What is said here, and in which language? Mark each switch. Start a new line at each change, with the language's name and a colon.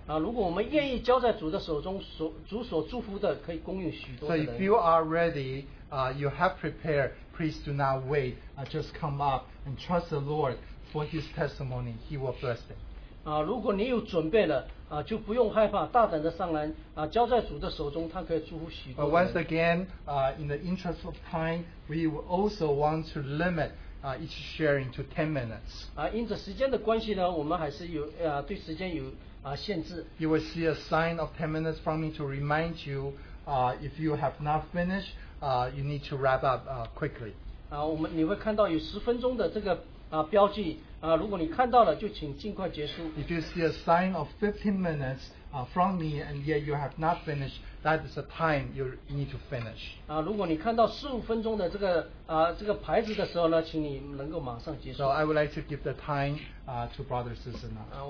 Chinese: 如果我们愿意交在主的手中，主所祝福的可以供应许多人。
English: So if you are ready, you have prepared. Please do not wait. Just come up and trust the Lord for for his testimony, he will bless them.
Chinese: 如果你有准备了，就不用害怕，大胆的上来，交在主的手中， 祂可以祝福许多人。
English: But once again, in the interest of time, we also want to limit each sharing to 10 minutes.
Chinese: 因着时间的关系呢，我们还是有对时间有限制。
English: You will see a sign of 10 minutes from me to remind you, if you have not finished, you need to wrap up quickly.
Chinese: 你会看到有10分钟的这个标记。如果你看到了就请尽快结束
English: If you see a sign of 15 minutes from me and yet you have not finished that is the time you need to finish
Chinese: 如果你看到15分钟的这个牌子的时候呢请你能够马上结束
English: So I would like to give the time to Brother Sister now